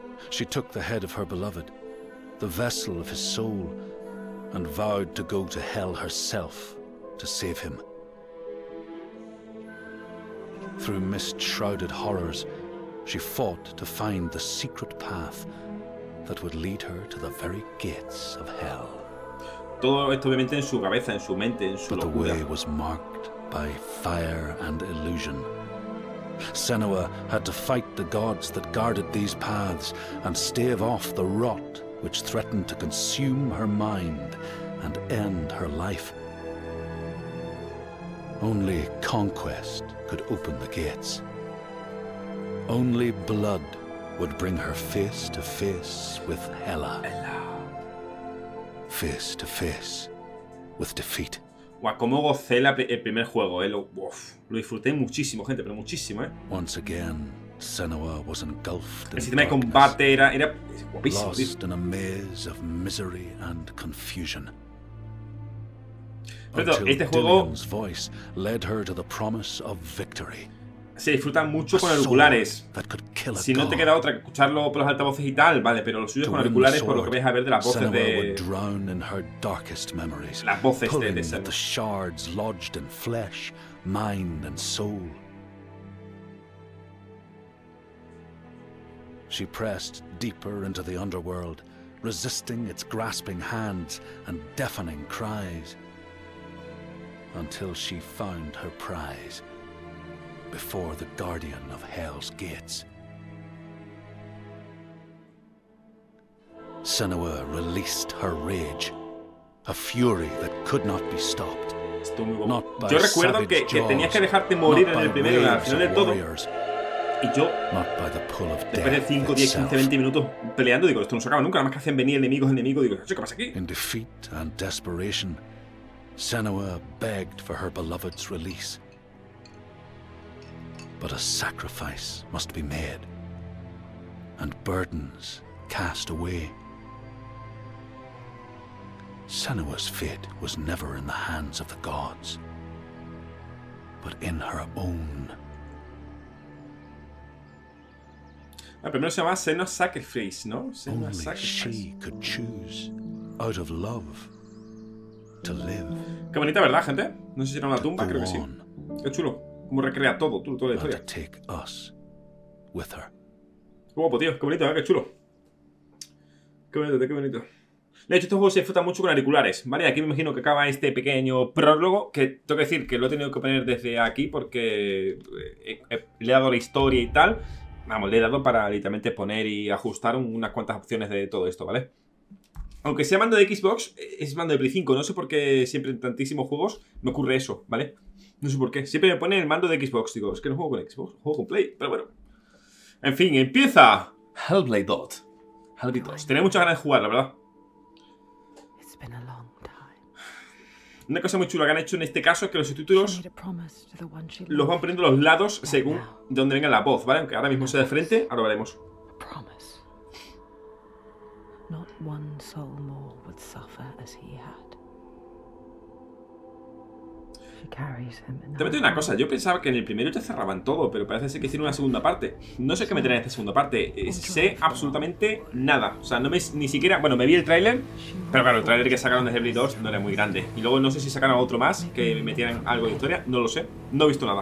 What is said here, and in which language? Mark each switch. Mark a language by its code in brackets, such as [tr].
[en] She took the head of her beloved, the vessel of his soul, and vowed to go to hell herself to save him. Through mist-shrouded horrors, she fought to find the secret path that would lead her to the very gates of hell. [es] Todo esto obviamente en su cabeza, en su mente, en su locura. [en] But the way was marked by fire and illusion. Senua had to fight the gods that guarded these paths and stave off the rot which threatened to consume her mind and end her life. Only conquest could open the gates. Only blood would bring her face to face with Hela. Face to face with defeat. [es] Guau, cómo gocé el primer juego, lo disfruté muchísimo, gente, pero muchísimo, [en] Once again, Senua was engulfed in [es] el sistema de combate era guapísimo. [en] Lost in a maze of misery and confusion. [es] Pero todo, este juego [en] Dillion's voice led her to the promise of victory. [es] Se disfruta mucho con auriculares. Si no te queda otra que escucharlo por los altavoces y tal, vale, pero lo suyo es con auriculares por lo que vais a ver de las voces de [en] shards lodged in flesh, mind and soul. She pressed deeper into the underworld, resisting its grasping hands and deafening cries until she found her prize. Before the guardian of Hell's gates, Senua released her rage, a fury that could not be stopped. Not by [es] yo recuerdo savage que tenías que dejarte morir en el primero, al final de todo. [en] Warriors, [es] y yo, [en] not by the pull of [es] después de 5, 10, 15, 20 minutos peleando, digo, esto no se acaba nunca, nada más que hacen venir enemigos, digo, ¿qué pasa aquí? [en] In defeat and desperation, Senua begged for her beloved's release. But a sacrifice must be made, and burdens cast away. Senua's fate was never in the hands of the gods, but in her own. [es] La primera se llama Senua's Sacrifice, ¿no? Senua's Sacrifice. [en] Only she could choose, out of love, to live. [es] Qué bonita, ¿verdad, gente? No sé si era una tumba, creo que sí. Qué chulo. Como recrea todo, toda la historia. [en] Take us with her. [es] Guapo, tío, qué bonito, qué chulo. Qué bonito, qué bonito. De hecho, este juego se disfruta mucho con auriculares, ¿vale? Aquí me imagino que acaba este pequeño prólogo, que tengo que decir que lo he tenido que poner desde aquí porque le he dado la historia y tal, Vamos, le he dado para literalmente poner y ajustar unas cuantas opciones de todo esto, ¿vale? Aunque sea mando de Xbox, es mando de Play 5. No sé por qué siempre en tantísimos juegos me ocurre eso, ¿vale? No sé por qué. Siempre me pone el mando de Xbox. Digo, es que no juego con Xbox, juego con Play. Pero bueno. En fin, empieza. Hellblade 2. Hellblade 2. Tenía muchas ganas de jugar, la verdad. [en] It's been a long time. [es] Una cosa muy chula que han hecho en este caso es que los subtítulos los van poniendo los lados según de donde venga la voz, ¿vale? Aunque ahora mismo sea de frente, ahora lo veremos. [en] Not one soul more would suffer as he had. She carries him in. [es] Te meto una cosa, yo pensaba que en el primero te cerraban todo, pero parece ser que hicieron una segunda parte. No sé qué meter en esta segunda parte. Sé absolutamente nada. O sea, no me ni siquiera. Bueno, me vi el tráiler, pero claro, el tráiler que sacaron de Hellblade 2 no era muy grande. Y luego no sé si sacaron otro más, que metieran algo de historia, no lo sé. No he visto nada.